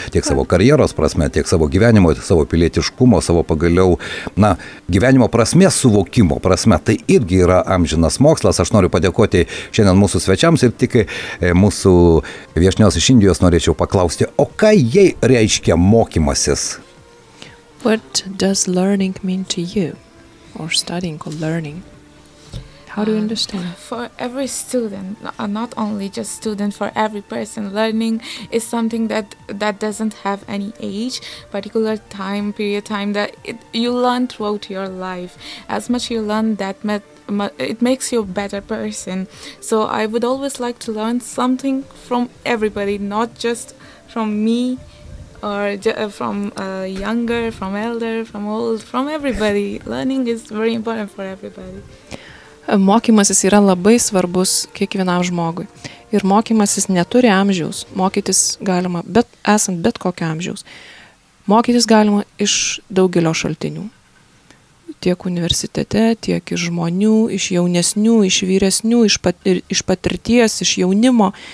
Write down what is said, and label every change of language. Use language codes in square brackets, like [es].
[lt] Tiek savo karjeros prasme, tiek savo gyvenimo, tiek savo pilietiškumo, savo pagaliau, na, gyvenimo prasmės suvokimo prasme. Tai irgi yra amžinas mokslas. Aš noriu padėkoti šiandien mūsų svečiams ir tik mūsų viešnios iš Indijos norėčiau paklausti, o ką jai reiškia mokymasis? [en] What does learning mean to you? Or studying or learning. How do you understand? For every student, not only just student, for every person, learning is something that doesn't have any age, particular time, period time, that you learn throughout your life. As much you learn, that it makes you a better person. So I would always like to learn something from everybody, not just from me, or from younger, from elder, from old, from everybody. Learning is very important for everybody. [lt] Mokymasis yra labai svarbus kiekvienam žmogui. Ir mokymasis neturi amžiaus. Mokytis galima, esant bet kokio amžiaus. Mokytis galima iš daugelio šaltinių. Tiek universitete, tiek iš žmonių, iš jaunesnių, iš vyresnių, iš patirties, iš jaunimo.